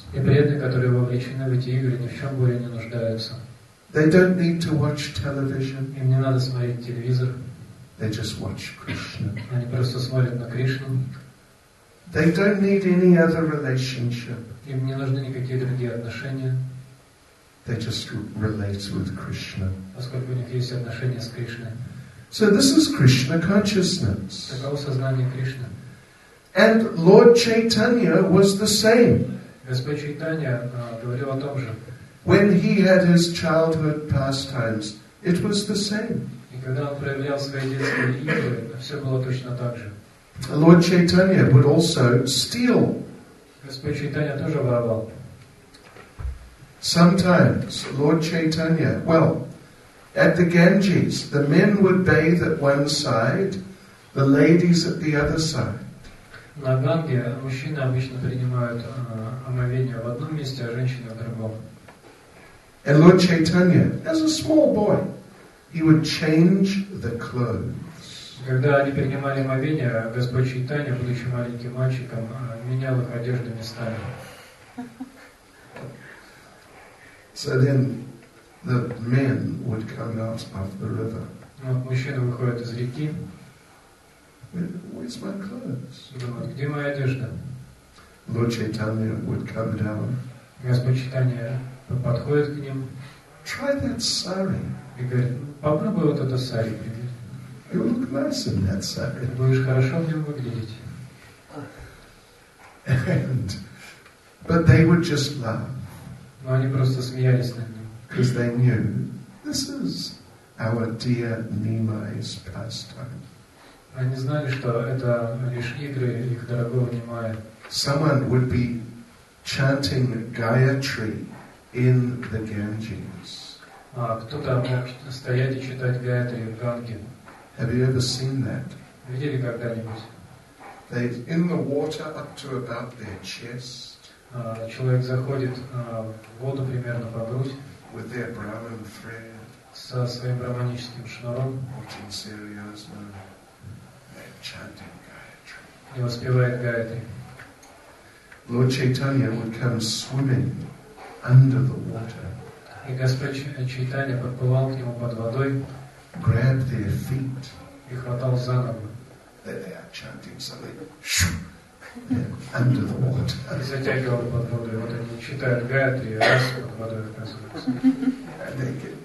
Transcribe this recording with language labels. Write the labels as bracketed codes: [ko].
[ru] И преданные, которые вовлечены в эти игры, ни в чем более не нуждаются. [en] They don't need to watch television. [ru] Им не надо смотреть телевизор. [en] They just watch Krishna. [ru] Они просто смотрят на Кришну. [en] They don't need any other relationship. [ru] Им не нужны никакие другие отношения. [en] They just relate with Krishna. [ru] Поскольку у них есть отношения с Кришной. [en] So this is Krishna consciousness. [ru] Таково сознание Кришны. [en] And Lord Chaitanya was the same. [ru] Господь Чайтанья говорил о том же. [en] When he had his childhood pastimes, it was the same. [ru] Когда он проявлял свои детские игры, все было точно так же. [en] Lord Chaitanya would also steal. [ru] Господь Чайтанья тоже воровал. [en] Sometimes Lord Chaitanya, well, at the Ganges, the men would bathe at one side, the ladies at the other side. [ru] На Ганге мужчины обычно принимают омовение в одном месте, а женщины в другом. [en] And Lord Chaitanya, as a small boy, he would change the clothes. [ru] Когда они принимали омовение, Господь Чайтанья, будучи маленьким мальчиком, менял их одежду местами. [en] So then the men would come out of the river. [ru] Вот мужчины выходят из реки. [en] Where's my clothes? [ru] Думают, где моя одежда? [en] Lord Chaitanya would come down. [ru] Господь Чайтанья подходит к ним. [en] Try that sari. [ru] И говорит: "Попробуй вот это сари примерить. [en] You look nice in that sari. [ru] Ты будешь хорошо в нем выглядеть." [en] And, but they would just laugh. [ru] Но они просто смеялись над ним. [en] Because they knew this is our dear Nimai's pastime. [ru] Они знали, что это лишь игры их дорогого Нимая. [en] Someone would be chanting Gayatri in the Ganges. [ru] Кто-то мог стоять и читать Гаятри в Ганге. [en] Have you ever seen that? [ru] Видели когда-нибудь? [en] They're in the water up to about their chest. [ru] Человек заходит в воду примерно по грудь. [en] With their Brahman thread. [ru] Со своим брахманическим шнуром. Очень серьезно. [en] They're chanting Gayatri. [ru] И воспевает Гаятри. [en] Lord Chaitanya would come swimming under the water. [ru] И Господь Чайтанья подплывал к нему под водой. [en] Grab their feet. [ru] И хватал за ногу. [en] They are chanting something. Under the water. [ru] И затягивал под водой. Вот они читают Гаятри, и раз под водой оказывается.